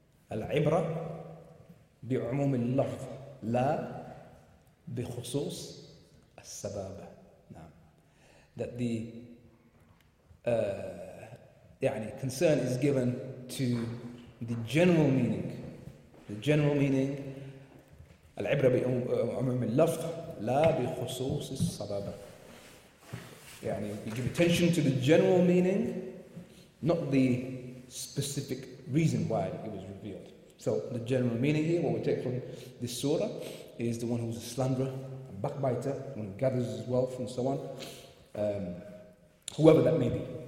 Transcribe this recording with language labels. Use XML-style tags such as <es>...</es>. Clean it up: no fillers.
<ar>Al-ibra bi'umum al-lafz, la بخصوص السبب. نعم.</ar> <en>That the يعني concern is given to the general meaning. The general meaning</en> <ar>العبرة بعموم اللفظ لا بخصوص السبب.</ar> <en>يعني we give attention to the general meaning, not the specific reason why it was revealed. So the general meaning here, what we take from this surah, is the one who's a slanderer, a backbiter, the one who gathers his wealth and so on, whoever that may be.</en>